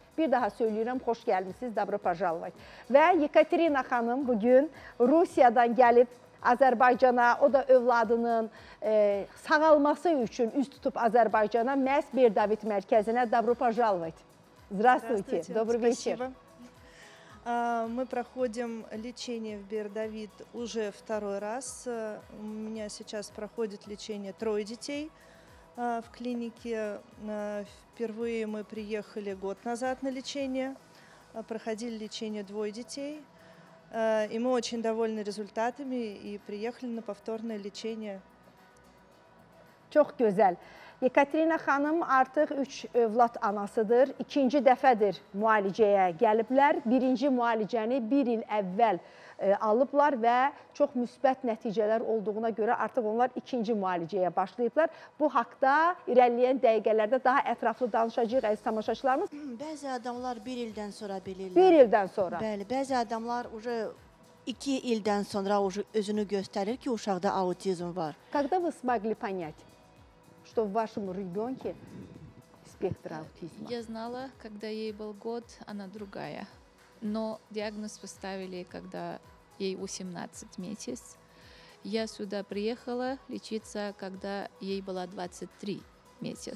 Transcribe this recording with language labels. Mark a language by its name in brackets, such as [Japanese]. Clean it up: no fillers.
[Azerbaijani] Bir daha söyləyirəm, xoş gəlmişsiniz, [Russian] dobro pozhalovat. [Azerbaijani] Və Yekaterina xanım bugün Rusiyadan gəlib, Azərbaycana, o da övladının sağalması üçün üz tutub Azərbaycana, məhz Bir-David mərkəzinə, dobro pozhalovat. [Russian] Здравствуйте, добрый вечер. Мы проходим лечение в Бир-David уже второй раз. У меня сейчас проходит лечение трое детей в клинике. Впервые мы приехали год назад на лечение, проходили лечение двое детей. И мы очень довольны результатами и приехали на повторное лечение. [Azerbaijani] Çox gözəl. Yekaterina xanım artıq 3 övlad anasıdır. İkinci dəfədir müalicəyə gəliblər. Birinci müalicəni 1 il əvvəl alıblar və çox müsbət nəticələr olduğuna görə artıq onlar ikinci müalicəyə başlayıblar. Bu haqda irəliyən dəqiqələrdə daha ətraflı danışacaq əziz tamaşaçılarımız. Bəzi adamlar 1 ildən sonra bilirlər. 1 ildən sonra. Bəli, bəzi adamlar uca 2 ildən sonra özünü göstərir ki, uşaqda autizm var. [Russian] Qaqda vı smagli panyat, что в вашем ребёнке спектр аутизма? Я знала, когда ей был год, она другая. Но диагноз поставили, когда ей 18 месяцев. Я сюда приехала лечиться, когда ей было 23 месяца.